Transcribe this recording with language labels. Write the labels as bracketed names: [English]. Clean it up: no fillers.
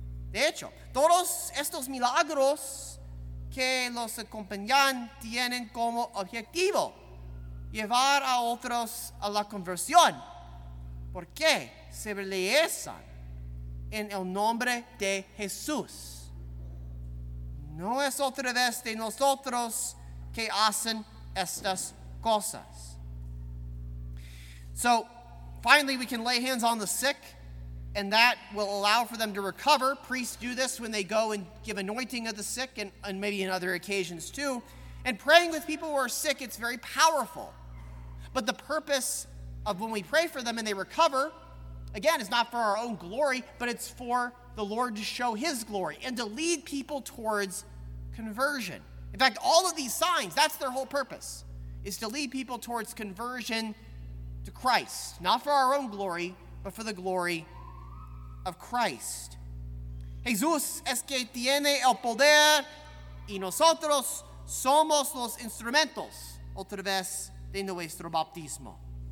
[Spanish] De hecho, todos estos milagros que los acompañan tienen como objetivo llevar a otros a la conversión. ¿Por qué? Se realizan en el nombre de Jesús. No es otra vez de nosotros que hacen estas cosas. [English] So, finally, we can lay hands on the sick, and that will allow for them to recover. Priests do this when they go and give anointing of the sick, and maybe in other occasions too. And praying with people who are sick, it's very powerful. But the purpose of when we pray for them and they recover, again, it's not for our own glory, but it's for the Lord to show his glory and to lead people towards conversion. In fact, all of these signs, that's their whole purpose, is to lead people towards conversion to Christ. Not for our own glory, but for the glory of Christ. [Spanish] Jesús es que tiene el poder y nosotros somos los instrumentos, otra vez, de nuestro bautismo.